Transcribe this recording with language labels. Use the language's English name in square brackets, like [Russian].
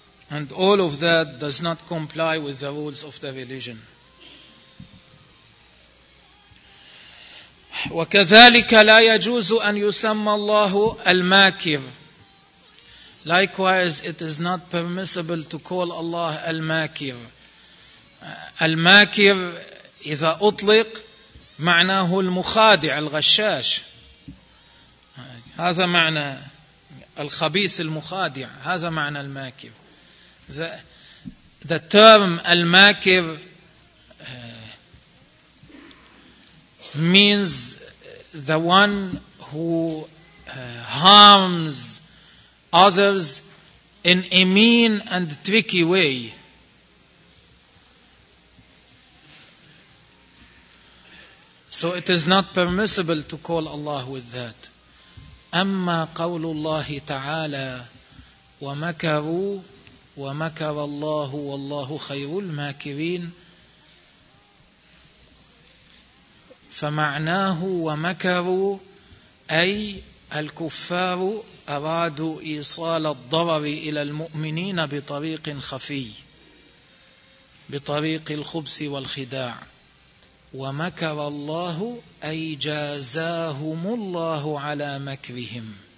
[English] And all of that does not comply with the rules of the religion. [Arabic] وكذلك لا يجوز أن يسمى الله الماكر. [English] Likewise, it is not permissible to call Allah al-makir. [Arabic] Al-makir, إذا أطلق, معناه المخادع, الغشاش. هذا معنى الخبيث المخادع. هذا معنى الماكر. [English] The term al-makir means the one who harms others in a mean and tricky way. So it is not permissible to call Allah with that. [Arabic] أَمَّا قَوْلُ اللَّهِ تَعَالَى وَمَكَرُوا وَمَكَرَ اللَّهُ وَاللَّهُ خَيْرُ الْمَاكِرِينَ فَمَعْنَاهُ وَمَكَرُوا أي الكفار أرادوا إيصال الضرر إلى المؤمنين بطريق خفي بطريق الخبث والخداع ومكر الله أي جازاهم الله على مكرهم